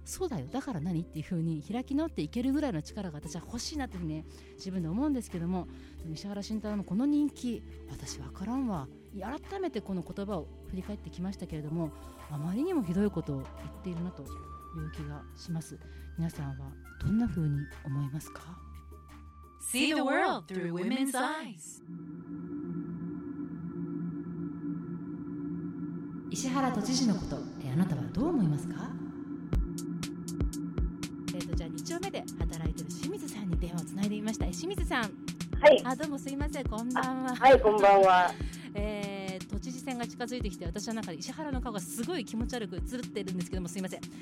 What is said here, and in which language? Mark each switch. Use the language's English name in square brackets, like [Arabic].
[Japanese] そうだよ、だから何っていう風に開き直っていけるぐらいの力が私は欲しいなっていうね、自分で思うんですけども、石原慎太郎のこの人気、私分からんわ。改めてこの言葉を振り返ってきましたけれども、あまりにもひどいことを言っているなという気がします。皆さんはどんな風に思いますか？ [English] See the world through women's eyes。 [Japanese] 石原都知事のこと、あなたはどう思いますか？じゃあ2丁目で働いてる清水さんに電話をつないでみました。清水さん、はい、あ、どうもすいません、こんばんは。はい、こんばんは。都知事選が近づいてきて、私の中で石原の顔がすごい気持ち悪く映ってるんですけども、すいません。